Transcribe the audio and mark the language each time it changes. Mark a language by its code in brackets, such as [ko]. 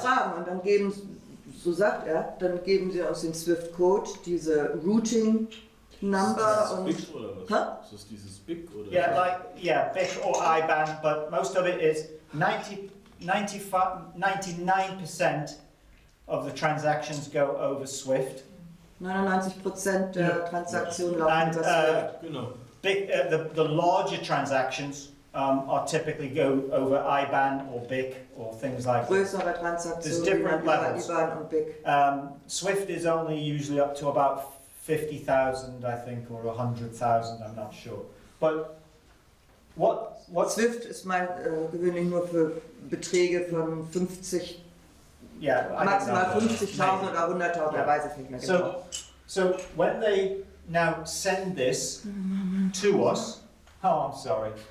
[de] Fragen, und dann geben, so sagt er, dann geben sie aus dem SWIFT Code diese routing number. [en] BIC or IBAN, but most of it is 99% of the transactions go over SWIFT. [de] 99% der Transaktionen laufen über SWIFT. [en] Genau. The larger transactions are typically go over IBAN or BIC or things like [de] that. Größere Transaktionen gehen über IBAN und BIC. [en] SWIFT is only usually up to about 50,000, I think, or 100,000, I'm not sure. But what [de] SWIFT is my gewöhnlich nur für Beträge von 50, maximal 50,000 oder 100,000, yeah. Weiß ich nicht mehr. [en] So when they now send this to us, I'm sorry.